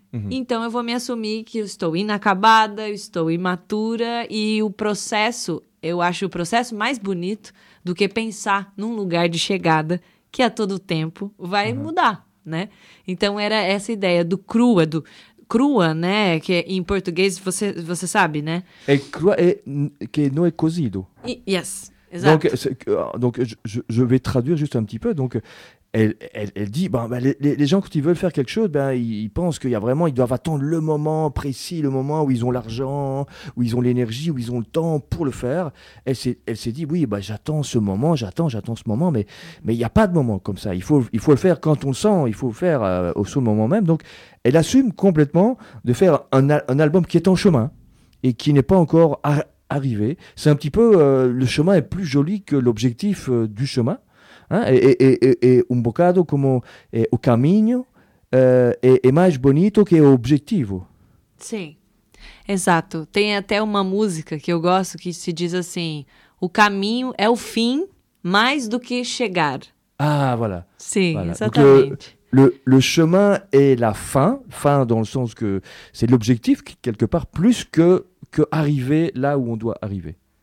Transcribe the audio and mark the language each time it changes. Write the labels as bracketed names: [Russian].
[Portuguese] então eu vou me assumir que eu estou inacabada, eu estou imatura, e o processo, eu acho o processo mais bonito do que pensar num lugar de chegada, que a todo tempo vai mudar, né? Então, era essa ideia do crua, né? Que em português, você sabe, né? É crua, que não é cozido. Yes, exato. [French] Donc, je vais traduire juste un petit peu. Donc, elle dit, les gens, quand ils veulent faire quelque chose, ils pensent qu'il y a vraiment, ils doivent attendre le moment précis, le moment où ils ont l'argent, où ils ont l'énergie, où ils ont le temps pour le faire. Elle s'est dit, oui, j'attends ce moment, mais il n'y a pas de moment comme ça. Il faut le faire quand on le sent, il faut le faire au seul moment même. Donc, elle assume complètement de faire un album qui est en chemin et qui n'est pas encore arrivé. C'est un petit peu, le chemin est plus joli que l'objectif du chemin. Et un bocado comme au camino est plus bonito que l'objectivo. [Portuguese] Sim, exato. Tem até uma música que eu gosto que se diz assim: o caminho é o fim mais do que chegar. [French] Ah, voilà. [Portuguese] Sim, [French] voilà. [Portuguese] Exatamente. Donc, [French] le chemin est la fin dans le sens que c'est l'objectif quelque part plus que arriver là où on doit arriver.